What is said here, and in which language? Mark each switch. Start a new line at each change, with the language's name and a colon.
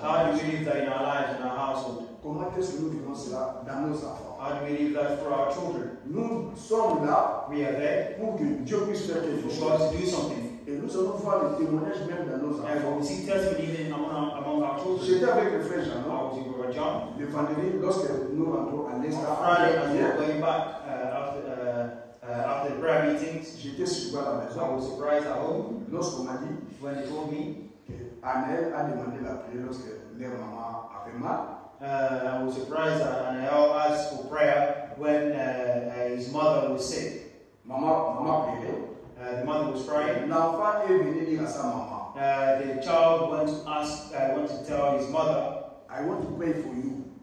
English: How do we live that in our lives and our household?
French: Comment est-ce que nous vivons cela dans nos enfants?
English: How do we live that for our children?
French: Nous sommes là,
English: we are there,
French: pour que Dieu puisse faire quelque chose,
English: do something.
French: Et nous allons voir les témoignages même dans nos enfants.
English: And we'll see testimonies among our children.
French: J'étais avec le frère Jean,
English: I was with Brother John.
French: Le vendredi, lorsque nous rentrons à l'Est,
English: Friday, we're going back after the prayer meetings.
French: J'étais sur à la maison.
English: I was surprised at home.
French: Lorsqu'on m'a dit,
English: when they told me,
French: Annelle a demandé la prière lorsque leur maman avait mal.
English: I was surprised that Annelle asked for prayer when his mother was sick.
French: Maman priait.
English: The mother was praying.
French: L'enfant est venu dire à sa maman.
English: The child went to ask, went to tell his mother. I want to pray for you.